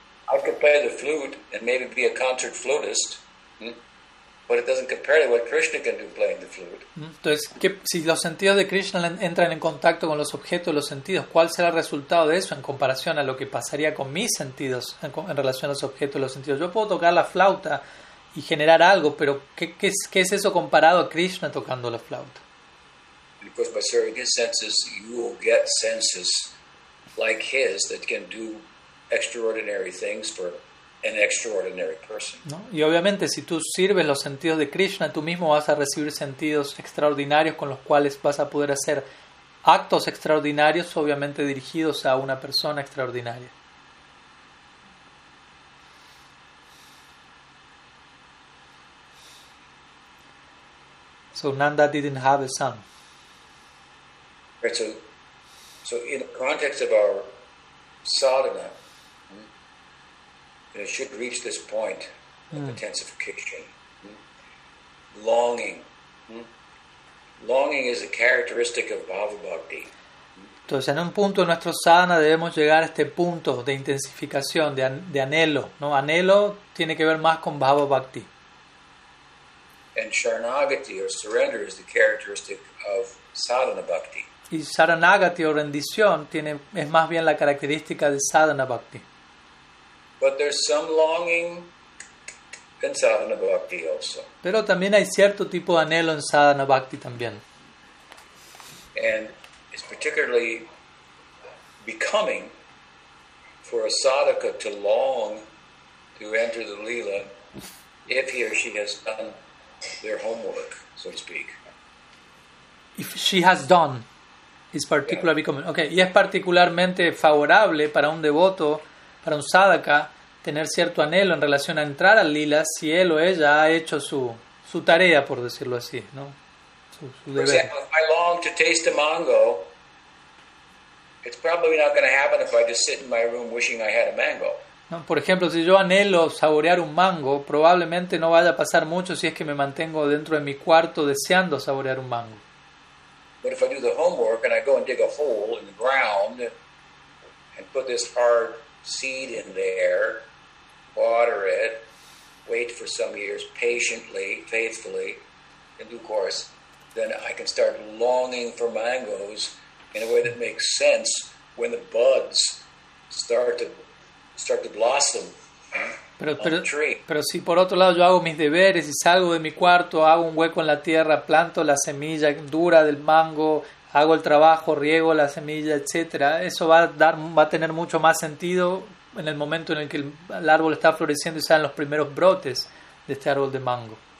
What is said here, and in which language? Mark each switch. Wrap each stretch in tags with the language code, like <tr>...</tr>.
<en>I could play the flute and maybe be a concert flutist. But it doesn't compare to what Krishna can do playing the flute.</en> <es>Entonces, si los sentidos de Krishna entran en contacto con los objetos de los sentidos, ¿cuál será el resultado de eso en comparación a lo que pasaría con mis sentidos en relación a los objetos de los sentidos? Yo puedo tocar la flauta y generar algo, pero ¿qué es eso comparado a Krishna tocando la flauta?</es> <en>Because by serving his senses, you will get senses like his that can do extraordinary things for an extraordinary person.</en> <es>¿No? Y obviamente, si tú sirves los sentidos de Krishna, tú mismo vas a recibir sentidos extraordinarios con los cuales vas a poder hacer actos extraordinarios, obviamente dirigidos a una persona extraordinaria.</es> <en>So Nanda didn't have a son. Right, so in the context of our sadhana, and it should reach this point of intensification. Longing. Longing is a characteristic of bhava bhakti.</en> <es>Entonces, en un punto de nuestro sadhana debemos llegar a este punto de intensificación, de anhelo, ¿no? Anhelo tiene que ver más con bhava bhakti.</es> <en>And sharanagati, or surrender, is the characteristic of sadhana bhakti.</en> <es>Y Saranagati o rendición tiene, es más bien la característica de Sadhana Bhakti.</es> <en>But there's some longing in Sadhana Bhakti also.</en> <es>Pero también hay cierto tipo de anhelo en Sadhana Bhakti también.</es> <en>And it's particularly becoming for a sadhaka to long to enter the lila if he or she has done their homework, so to speak. If she has done, it's particularly becoming.</en> <es>Okay, y es particularmente favorable para un devoto, para un sadhaka, tener cierto anhelo en relación a entrar al lila si él o ella ha hecho su tarea, por decirlo así, ¿no?</es> <en>For example, if I long to taste a mango, it's probably not going to happen if I just sit in my room wishing I had a mango.</en> <es>No, por ejemplo, si yo anhelo saborear un mango, probablemente no vaya a pasar mucho si es que me mantengo dentro de mi cuarto deseando saborear un mango.</es> <en>But if I do the homework and I go and dig a hole in the ground and put this hard seed in there, water it, wait for some years patiently, faithfully, in due course, then I can start longing for mangoes in a way that makes sense when the buds start to blossom</en> <es>pero,</es> <en>on the tree.</en> <es>Pero si por otro lado yo hago mis deberes y salgo de mi cuarto, hago un hueco en la tierra, planto la semilla dura del mango, hago el trabajo, riego la semilla, etc., eso va a tener mucho más sentido en el momento en el que el árbol está floreciendo y salen los primeros brotes de este árbol de mango.</es>